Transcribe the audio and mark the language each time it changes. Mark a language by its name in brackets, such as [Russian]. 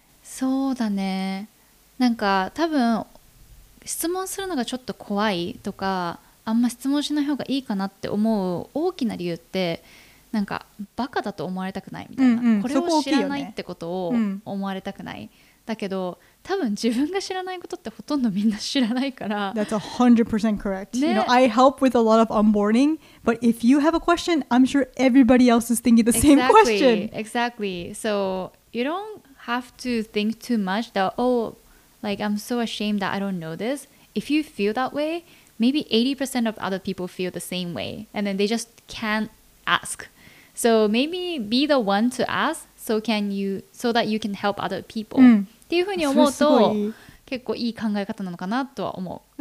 [Japanese] そうだね、なんか多分質問するのがちょっと怖いとかあんま質問しない方がいいかなって思う大きな理由って、なんかバカだと思われたくないみたいな、うんうん、これを知らないってことを思われたくない、ね、うん、だけど多分自分が知らないことってほとんどみんな知らないから。 [English] That's 100% correct、ね、you know, I help with a lot of onboarding, but if you have a question, I'm sure everybody else is thinking the same question. Exactly, so you don't have to think too much that, oh, like, I'm so ashamed that I don't know this. If you feel that way, maybe 80% of other people feel the same way, and then they just can't ask. So maybe be the one to ask, so can you, so that you can help other people.、 [Japanese] うん、っていうふうに思うと、結構いい考え方なのかなとは思う。